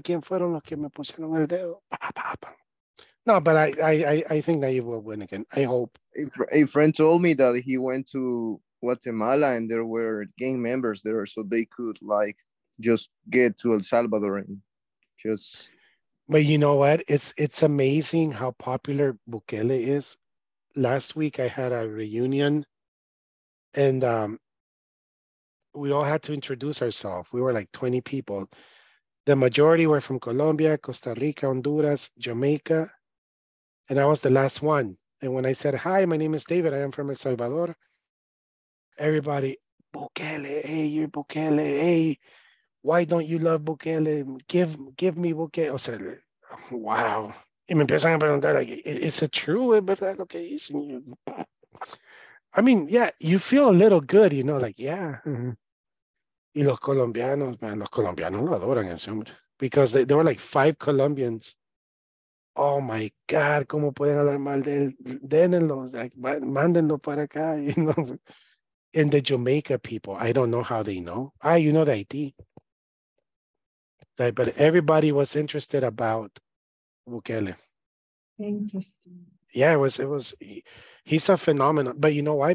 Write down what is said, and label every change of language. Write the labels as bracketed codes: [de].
[es] ¿Quién fueron los que me pusieron el dedo? [en] No, but I think that you will win again. I hope. A friend told me that he went to Guatemala and there were gang members there, so they could like just get to El Salvador and just. But you know what? It's amazing how popular Bukele is. Last week I had a reunion, and we all had to introduce ourselves. We were like 20 people. The majority were from Colombia, Costa Rica, Honduras, Jamaica. And I was the last one. And when I said, hi, my name is David. I am from El Salvador. Everybody, Bukele, hey, you're Bukele. Hey, why don't you love Bukele? Give me Bukele. [es] O sea, wow. Y me empiezan a preguntar, [en] like, is it true? [es] ¿Es verdad lo que dicen? [en] I mean, yeah, you feel a little good, you know, like, yeah. [es] Y los colombianos, man, los colombianos lo adoran, [en] assumed, because they were like five Colombians. Oh my God, [es] ¿cómo pueden hablar mal de él? Denenlo, [en] like, [es] mándenlo para acá, [en] you know. And the Jamaica people, I don't know how they know. Ah, you know the IT. Like, but everybody was interested about Bukele. Interesting. Yeah, it was, he's a phenomenon. But you know why?